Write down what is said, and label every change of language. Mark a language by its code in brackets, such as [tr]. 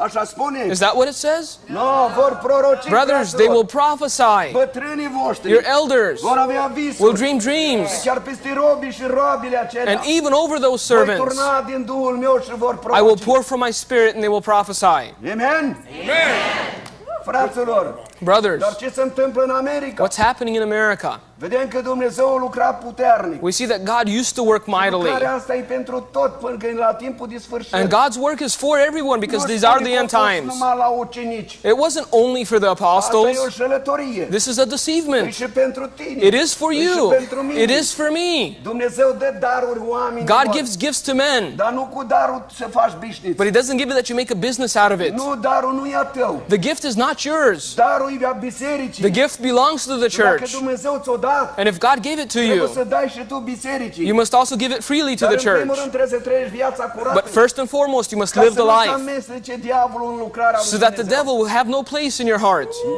[en] Is that what it says? Brothers, they will prophesy. Your elders will dream dreams. And even over those servants, I will pour from my spirit and they will prophesy. [ro] Amen. [en] Amen. [ro] Fraților, [en] brothers, [ro] dar ce se întâmplă în America? [en] What's happening in America? [ro] Vedem că Dumnezeu a lucrat puternic. [en] We see that God used to work mightily. [ro] Lucrarea asta e pentru tot până când la timpul de sfârșit. [en] And God's work is for everyone because these are the end times. [ro] Nu numai la ucenici. [en] It wasn't only for the apostles. [ro] Asta e o șelătorie. [en] This is a deceivement. [ro] E și pentru tine. [en] It is for you. [ro] E și pentru mine. [en] It is for me. [ro] Dumnezeu dă daruri oamenilor. [en] God gives gifts to men. [ro] Dar nu cu darul să faci business. [en] But he doesn't give it that you make a business out of it. [ro] Nu, darul nu e a tău. [en] The gift is not yours. [ro] Darul e a bisericii. [en] The gift belongs to the church. [ro] Dacă Dumnezeu ți-o dă. [en] And if God gave it to you, you must also give it freely to the church. But first and foremost, you must live the life so that the devil will have no place in your heart.